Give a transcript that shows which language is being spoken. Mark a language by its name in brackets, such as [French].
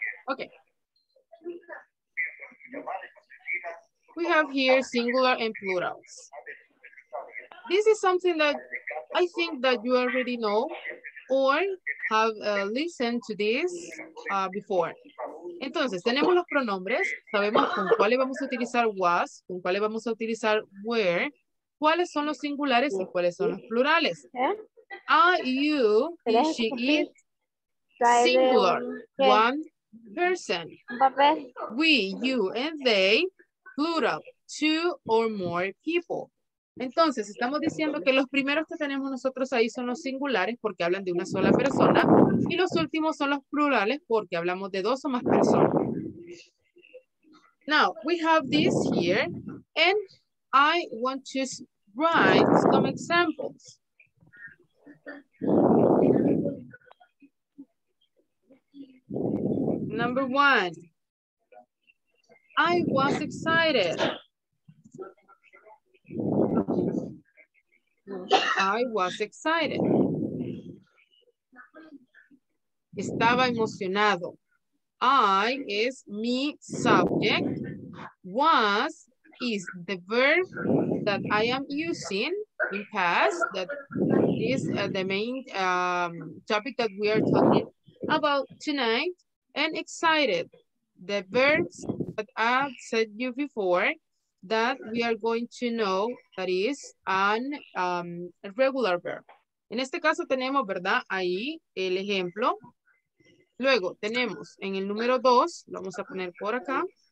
[English] Okay. We have here singular and plurals. This is something that I think that you already know or have listened to this before. [Spanish] Entonces, tenemos los pronombres, sabemos con cuáles vamos a utilizar was, con cuáles vamos a utilizar were, cuáles son los singulares y cuáles son los plurales. [English] Are you, is she, it, singular, one person. We, you, and they, plural, two or more people. [Spanish] Entonces, estamos diciendo que los primeros que tenemos nosotros ahí son los singulares porque hablan de una sola persona y los últimos son los plurales porque hablamos de dos o más personas. [English] Now, we have this here and I want to write some examples. Number one, I was excited. I was excited. [Spanish] Estaba emocionado. [English] I is me subject. Was is the verb that I am using in past. That is the main topic that we are talking about tonight. And excited, the verbs that I said you before that we are going to know, that is an regular verb. [Spanish] En este caso tenemos, ¿verdad? Ahí el ejemplo. Luego tenemos en el número 2, lo vamos a poner por acá.